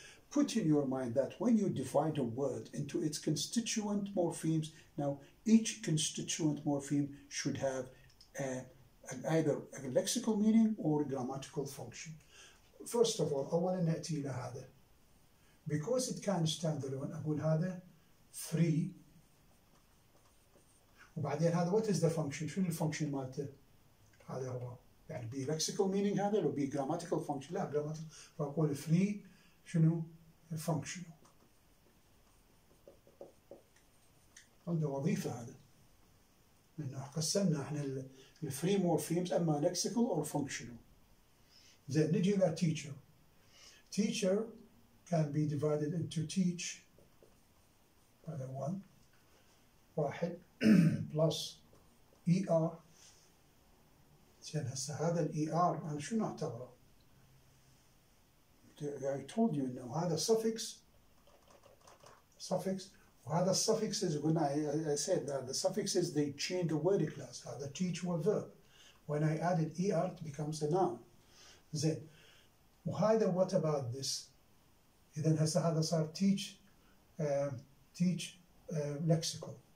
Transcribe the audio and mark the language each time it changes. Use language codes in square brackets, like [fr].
[en] Put in your mind that when you divide a word into its constituent morphemes, now each constituent morpheme should have either a lexical meaning or a grammatical function. First of all, [ar] أولا نأتي إلى هذا. [en] Because it can stand alone, [ar] أقول هذا [en] free. [ar] وبعدين هذا, [en] what is the function? [ar] شنو الفونكشن مالته؟ هذا هو. [en] يعني be lexical meaning هذا or be grammatical function؟ لا, grammatical. [ar] فأقول [en] free, شنو؟ functional. [ar] عنده وظيفة هذا. إنه قسمنا احنا الفري مورفيمز أما lexical or functional. زين نجي إلى teacher. [en] Teacher can be divided into teach. هذا one. واحد. plus ER. [ar] زين هسه هذا ال ER أنا شو نعتبره؟ [en] I told you [ar] إنه هذا [en] suffix وهذا suffixes when I said that the suffixes they change the word class هذا teach or verb. When I added ER it becomes a noun. [ar] زين وهذا [en] what about this؟ [ar] إذا هسه هذا صار teach lexical.